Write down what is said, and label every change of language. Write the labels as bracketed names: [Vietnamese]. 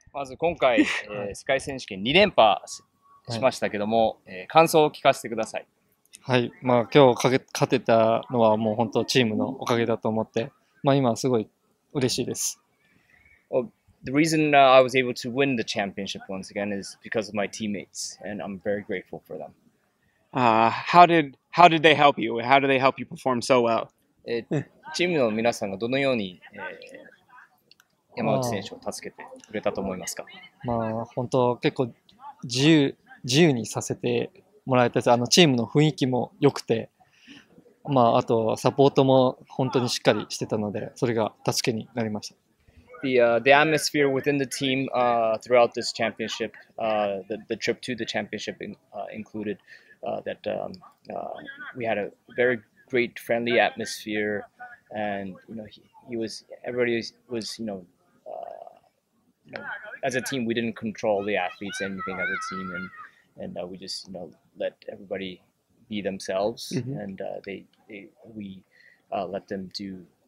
[Japanese] まず今回、世界選手権2連覇しましたけども、感想を聞かせてください。はい。まあ今日勝てたのはもう本当チームのおかげだと思って、まあ今はすごい嬉しいです。 [English] Well, the reason I was able to win the championship once again is because of my teammates, and I'm very grateful for them. How did they help you? How did they help you perform so well? [Japanese] チームの皆さんがどのように、山内選手を助けてくれたと思いますか？まあ、本当、結構自由にさせてもらえたし、チームの雰囲気も良くて、まあ、あとサポートも本当にしっかりしてたので、それが助けになりました。 [English] The atmosphere within the team throughout this championship, the trip to the championship included that we had a very great friendly atmosphere, and you know everybody was as a team we didn't control the athletes anything as a team and we just let everybody be themselves and we let them do.